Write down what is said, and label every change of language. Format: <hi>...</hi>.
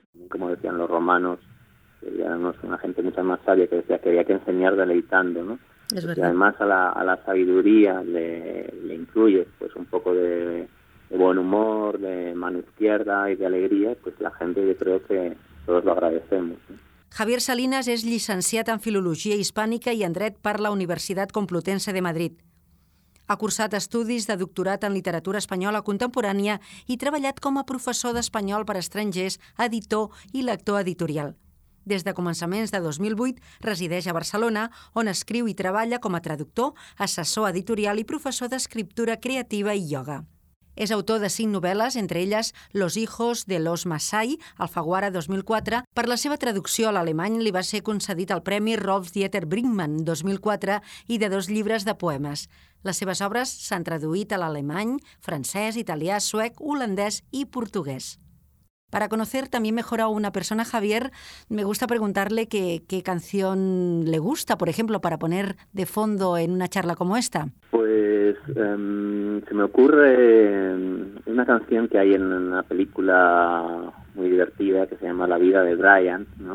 <es>Como decían los romanos, eran una gente mucho más sabia, que decía que había que enseñar deleitando, ¿no? Es verdad. Y además a la sabiduría le incluye pues un poco de buen humor, de mano izquierda y de alegría, pues la gente, yo creo que todos lo agradecemos, ¿no?</es> <ca>Javier Salinas es llicenciat en Filologia Hispànica i en Dret per la Universitat Complutense de Madrid. Ha cursat estudis de doctorat en literatura espanyola contemporània i treballat com a professor d'espanyol per estrangers, editor i lector editorial. Des de començaments de 2008 resideix a Barcelona, on escriu i treballa com a traductor, assessor editorial i professor d'escriptura creativa i ioga. És autor de 5 novel·les, entre elles Los hijos de los Masai, Alfaguara 2004. Per la seva traducció a l'alemany li va ser concedit el premi Rolf-Dieter Brinkmann 2004 i de 2 llibres de poemes. Les seves obres s'han traduït a l'alemany, francès, italià, suec, holandès i portuguès.</ca> <es>Para conocer también mejor a una persona, Javier, me gusta preguntarle qué canción le gusta, por ejemplo, para poner de fondo en una charla como esta. Pues se me ocurre una canción que hay en una película muy divertida que se llama La vida de Brian, ¿no?</es>